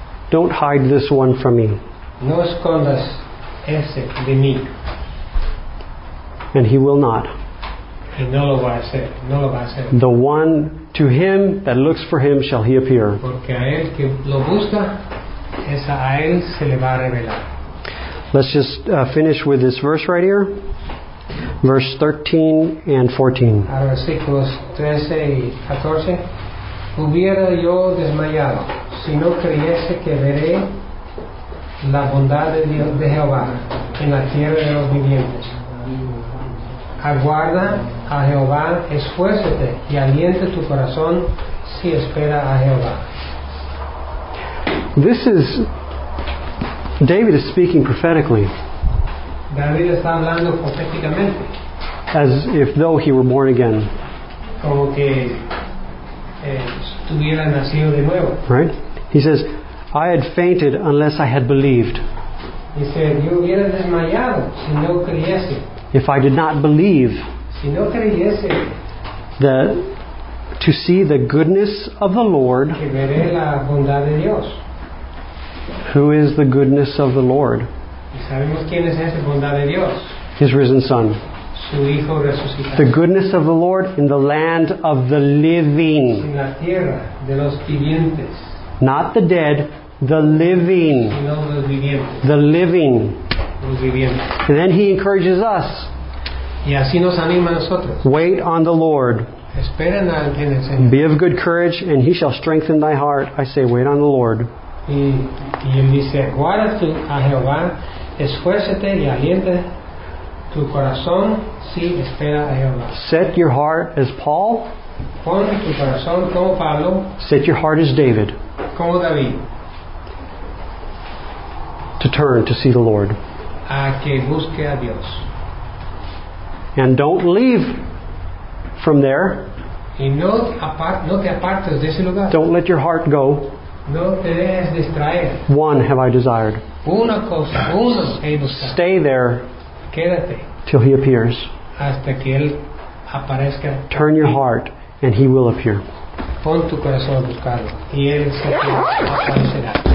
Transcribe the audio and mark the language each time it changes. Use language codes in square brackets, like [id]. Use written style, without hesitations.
[en] Don't hide this one from me. [es] No escondas ese de mí. [en] And he will not. [es] Y no lo va a hacer. No lo va a hacer. [en] The one to him that looks for him shall he appear. [es] Porque a él que lo busca, esa a él se le va a revelar. [en] Let's just finish with this verse right here. Verse 13 and 14. [es] Versículos 13 y 14. Hubiera yo desmayado si no creyese que veré la bondad de Dios de Jehová en la tierra de los vivientes. Aguarda a Jehová, esfuérzate y aliente tu corazón si espera a Jehová. [en] This is David is speaking prophetically. [es] David está hablando proféticamente. [en] As if though he were born again. [es] Como que estuviera nacido de nuevo. [en] Right? He says, I had fainted unless I had believed. He said, [es] yo hubiera desmayado si no creyese. [en] If I did not believe, [es] si no creyese, [en] to see the goodness of the Lord, [es] que veré la bondad de Dios. [en] Who is the goodness of the Lord? [es] Sabemos quién es esa bondad de Dios. [en] His risen Son. [es] Su hijo resucitado. [en] The goodness of the Lord in the land of the living. [es] En la tierra de los vivientes. [en] Not the dead, the living. [es] Sino los vivientes. [en] The living. [es] Los vivientes. [en] And then he encourages us. [es] Y así nos anima a nosotros. [en] Wait on the Lord. [es] Esperen en el Señor. [en] Be of good courage, and he shall strengthen thy heart. I say, wait on the Lord. [es] Y él dice, guarda tu a Jehová, esfuérzate y aliente tu corazón si espera a Jehová. [en] Set your heart as Paul. [es] Pon tu corazón como Pablo. [en] Set your heart as David. [es] Como David. [en] To turn to see the Lord. [es] A que busque a Dios. [en] And don't leave from there. [es] Y no te apartes de ese lugar. [en] Don't let your heart go. [es] No te dejes distraer. [en] One have I desired. [es] Una cosa, uno he buscado. [en] Stay there. [es] Quédate. [en] Till he appears. [es] Hasta que él aparezca. [en] Turn your heart and he will appear. [es] Pon tu corazón buscado y él se aparecerá.